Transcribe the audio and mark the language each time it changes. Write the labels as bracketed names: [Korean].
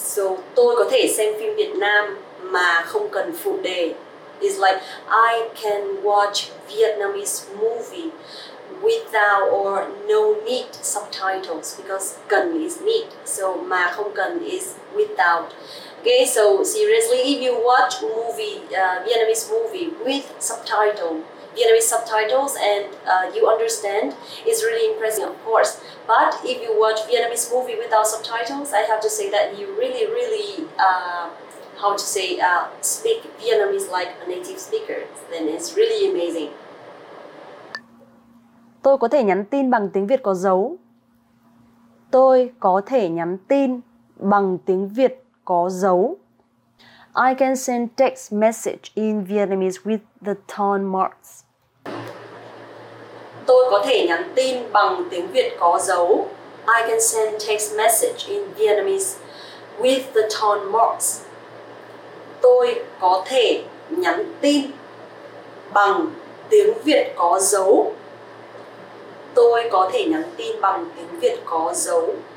[Vietnamese] So tôi có thể xem phim Việt Nam mà không cần phụ đề. [English] It's like I can watch Vietnamese movie without or no need subtitles, because cần is need. So mà không cần is without. Okay, so seriously, if you watch movie Vietnamese movie with subtitle, Vietnamese subtitles, and you understand, it's really impressive, of course. But if you watch Vietnamese movie without subtitles, I have to say that you really, really, speak Vietnamese like a native speaker. Then it's really amazing. [Vietnamese] Tôi có thể nhắn tin bằng tiếng Việt có dấu. Tôi có thể nhắn tin bằng tiếng Việt có dấu. [English] I can send text message in Vietnamese with the tone marks. [Vietnamese] Tôi có thể nhắn tin bằng tiếng Việt có dấu. [English] I can send text message in Vietnamese with the tone marks. [Vietnamese] Tôi có thể nhắn tin bằng tiếng Việt có dấu. Tôi có thể nhắn tin bằng tiếng Việt có dấu.